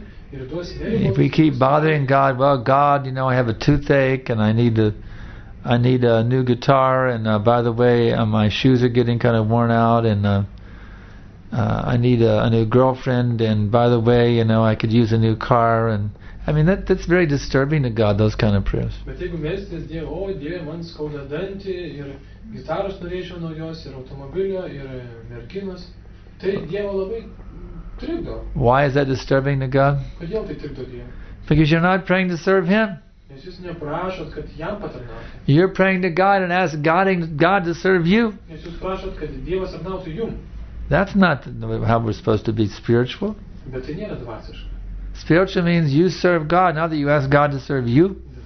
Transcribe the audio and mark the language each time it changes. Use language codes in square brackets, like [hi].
[en] If we keep bothering God, well, God, you know, I have a toothache and I need a new guitar, and by the way, my shoes are getting kind of worn out, and I need a new girlfriend, and by the way, you know, I could use a new car, and I mean, that's very disturbing to God, those kind of prayers. But if you ask God, oh, God, [lt] man skauda dantį, ir gitaros norėčiau naujos, ir automobilio, ir merginos, tai Dievo labai trikdo. [en] Why is that disturbing to God? [lt] Kodėl tai trikdo Dievo? [en] Because you're not praying to serve Him. [lt] Nes jūs neprašot, kad Jam patarnauti. [en] You're praying to God and ask God to serve you. [lt] Nes jūs prašot, kad Dievas tarnautų jums. [en] That's not how we're supposed to be spiritual. [lt] Bet tai nėra dvasiška. [en] Spiritual means you serve God, not that you ask God to serve you.